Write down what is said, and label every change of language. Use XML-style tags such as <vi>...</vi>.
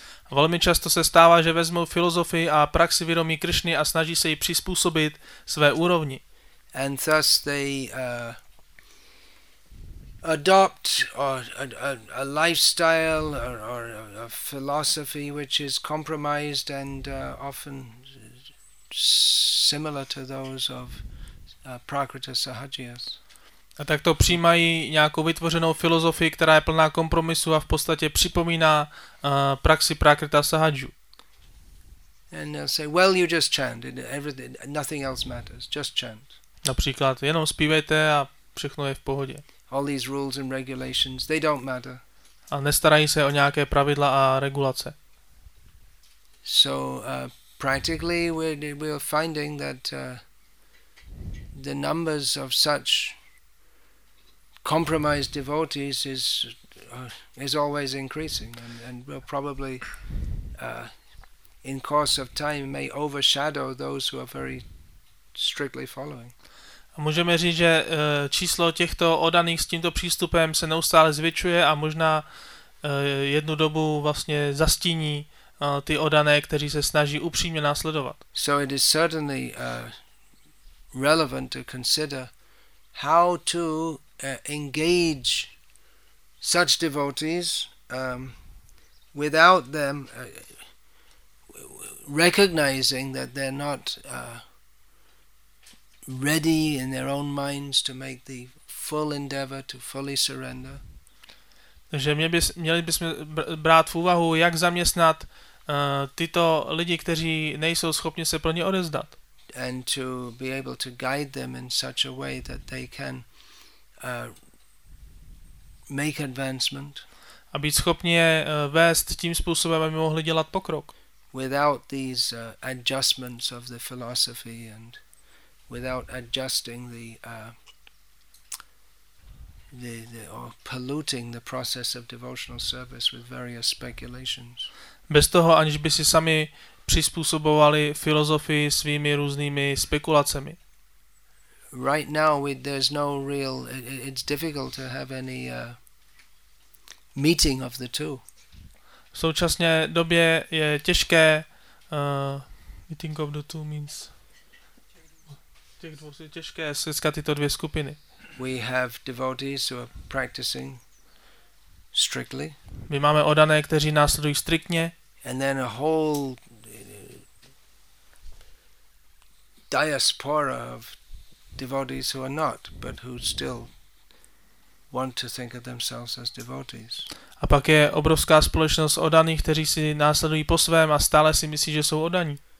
<cs>Velmi často se stává, že vezmou filozofii a praxi vědomí Krishny a snaží se ji přizpůsobit své úrovni.</cs> <en>And thus they adopt a lifestyle or a philosophy which is compromised and often similar to those of Prakriti Sahajiyas.</en> <cs>A tak to přijímají nějakou vytvořenou filozofii, která je plná kompromisu a v podstatě připomíná praxi Prakriti Sahajů.</cs> <en>And they say, well, you just chant, everything, nothing else matters, just chant.</en> <cs>Například, jenom zpívejte a všechno je v pohodě.</cs> <en>All these rules and regulations, they don't matter.</en> <cs>A nestarají se o nějaké pravidla a regulace.</cs> <en>So practically we're finding that the numbers of such compromised devotees is always increasing and will probably in course of time may overshadow those who are very strictly following.</en> <cs>Můžeme říct, že číslo těchto oddaných s tímto přístupem se neustále zvětšuje a možná jednu dobu vlastně zastíní ty oddané, kteří se snaží upřímně následovat.</cs> <en>So it is certainly relevant to consider how to engage such devotees without them recognizing that they're not ready in their own minds to make the full endeavor to fully surrender.</en> <cs>Takže měli bychom brát v úvahu, jak zaměstnat tyto lidi, kteří nejsou schopni se plně odezdat.</cs> <en>And to be able to guide them in such a way that they can make advancement.</en> <cs>A být schopni je vést tím způsobem, aby mohli dělat pokrok.</cs> <en>Without these adjustments of the philosophy and without adjusting the or polluting the process of devotional service with various speculations.</en> <cs>Bez toho, aniž by si sami přizpůsobovali filozofii svými různými spekulacemi.</cs> <en>Right now there's no real it's difficult to have any meeting of the two.</en> <cs>V současné době je těžké</cs> <en>meeting of the two means</en> <cs>těch dvou je těžké setkat tyto dvě skupiny.</cs> <en>We have devotees who are practicing strictly.</en> <cs>My máme oddané, kteří následují striktně.</cs> <en>And then a whole diaspora of devotees who are not, but who still want to think of themselves as devotees.</en> <cs>A pak je obrovská společnost oddaných, kteří si následují po svém a stále si myslí, že jsou oddaní.</cs>